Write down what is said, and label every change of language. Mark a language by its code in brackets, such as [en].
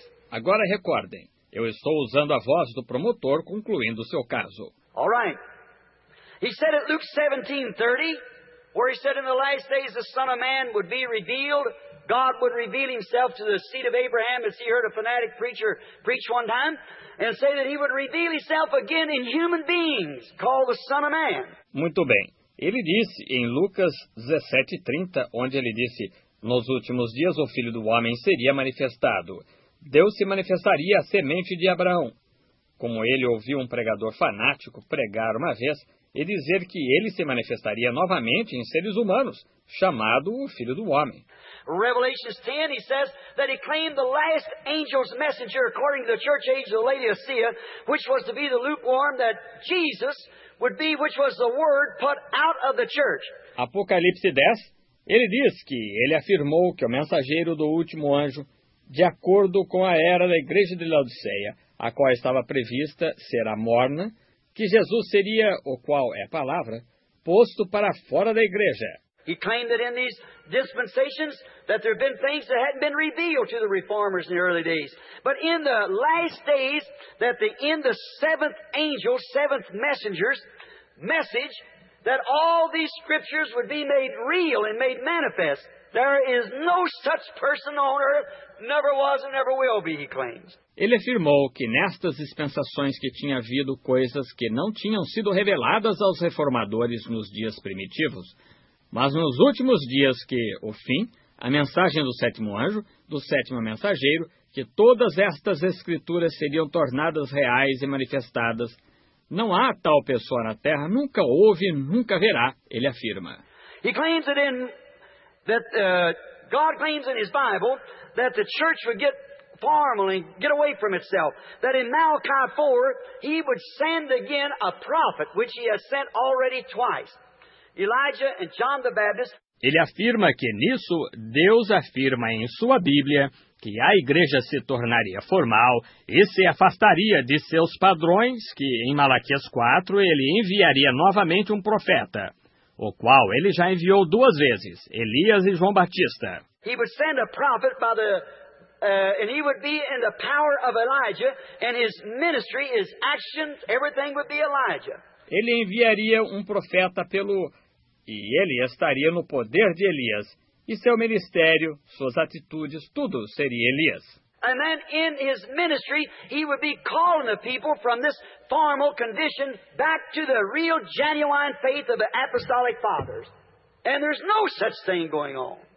[pt] Agora recordem, eu estou usando a voz do promotor concluindo seu caso. [en] All right. He said at Luke 17:30, where he said in the last days the Son of Man would be revealed, God would reveal himself to the seed of Abraham, as he heard a fanatic preacher preach one time, and say that he would reveal himself again in human beings, called the Son of Man. [pt] Muito bem. Ele disse em Lucas 17:30, onde ele disse, nos últimos dias o Filho do Homem seria manifestado. Deus se manifestaria à semente de Abraão. Como ele ouviu um pregador fanático pregar uma vez, e dizer que ele se manifestaria novamente em seres humanos, chamado o Filho do Homem. [en] Revelation 10, he says that he claimed the last angel's messenger according to the church age of the Laodicea, which was to be the lukewarm, that Jesus would be, which was the word put out of the church. [pt] Apocalipse 10, ele diz que ele afirmou que o mensageiro do último anjo, de acordo com a era da igreja de Laodicea, a qual estava prevista ser a morna, que Jesus seria, o qual é a palavra, posto para fora da igreja. [en] He claimed that in these dispensations that there have been things that hadn't been revealed to the reformers in the early days. But in the last days, that in the seventh angel, seventh messenger's message, that all these scriptures would be made real and made manifest. There is no such person on earth, never was and never will be, he claims. [pt] Ele afirmou que nestas dispensações que tinha havido coisas que não tinham sido reveladas aos reformadores nos dias primitivos, mas nos últimos dias que, o fim, a mensagem do sétimo anjo, do sétimo mensageiro, que todas estas escrituras seriam tornadas reais e manifestadas. Não há tal pessoa na terra, nunca houve, nunca verá, ele afirma. [en] He claims that God claims in his Bible that the church would get formal and get away from itself. That in Malachi 4, he would send again a prophet, which he has sent already twice. Elijah and John the Baptist. [pt] Ele afirma que nisso, Deus afirma em sua Bíblia que a igreja se tornaria formal e se afastaria de seus padrões, que em Malaquias 4 ele enviaria novamente um profeta, o qual ele já enviou duas vezes, Elias e João Batista. [en] He would send a prophet by the and he would be in the power of Elijah, and his ministry, his actions, everything would be Elijah. [pt] Ele enviaria um profeta pelo... E ele estaria no poder de Elias. e seu ministério, suas atitudes, tudo seria Elias. [en] And then in his ministry, he would be calling the people from this formal condition back to the real genuine faith of the apostolic fathers. And there's no such thing going on.